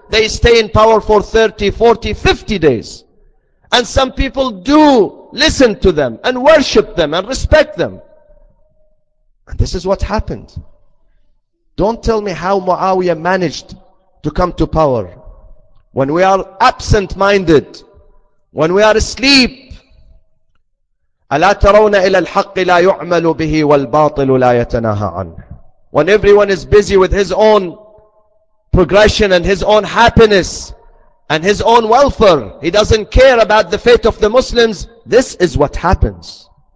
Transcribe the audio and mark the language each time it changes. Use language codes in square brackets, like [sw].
[en] They stay in power for 30, 40, 50 days. And some people do listen to them and worship them and respect them. And this is what happened. Don't tell me how Muawiyah managed to come to power. When we are absent-minded, when we are asleep, [ar] أَلَا تَرَوْنَ إِلَى الْحَقِّ لَا يُعْمَلُ بِهِ وَالْبَاطِلُ لَا يَتَنَاهَا عَنْهُ. [en] When everyone is busy with his own progression and his own happiness and his own welfare, he doesn't care about the fate of the Muslims. This is what happens.